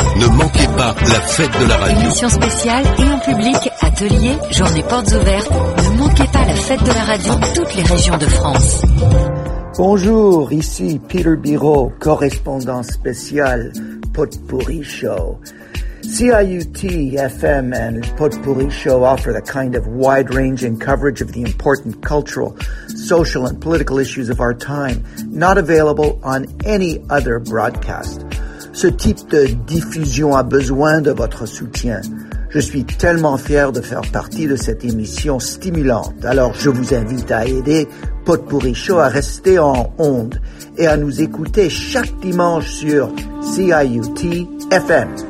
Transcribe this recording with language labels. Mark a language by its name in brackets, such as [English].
[French] Ne manquez pas la fête de la radio. Émission spéciale et en public, atelier, journée portes ouvertes. Ne manquez pas la fête de la radio dans toutes les régions de France. Bonjour, ici Peter Biro, correspondant spécial Potpourri Show. [English] CIUT FM and Potpourri Show offer the kind of wide-ranging coverage of the important cultural, social, and political issues of our time, not available on any other broadcast. [French] Ce type de diffusion a besoin de votre soutien. Je suis tellement fier de faire partie de cette émission stimulante, alors je vous invite à aider Potpourri Show à rester en onde et à nous écouter chaque dimanche sur CIUT FM.